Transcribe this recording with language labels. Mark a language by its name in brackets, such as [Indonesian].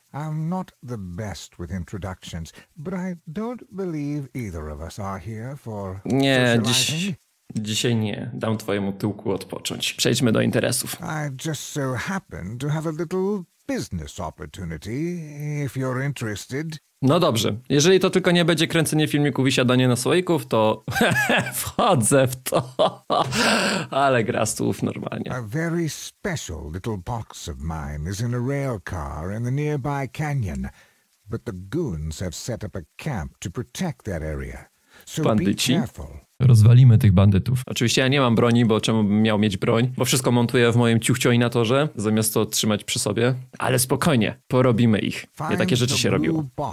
[English] I'm not the best with introductions, but I don't believe either of us are here for... [Polish] Nie, dzisiaj nie. Dam twojemu tyłku odpocząć. Przejdźmy do interesów. [English] I just so happen to have a little... business opportunity, if you're interested. [Polish] No dobrze, jeżeli to tylko nie będzie kręcenie filmiku, wysiadanie na słoików, to wchodzę w to. Ale gra słów normalnie. [English] A very special little box of mine is in a rail car in the nearby canyon, but the goons have set up a camp to protect that area. So be careful. [Polish] Rozwalimy tych bandytów. Oczywiście ja nie mam broni, bo czemu bym miał mieć broń? Bo wszystko montuję w moim ciuchcioinatorze, zamiast to trzymać przy sobie. Ale spokojnie, porobimy ich. Nie takie rzeczy się robiło.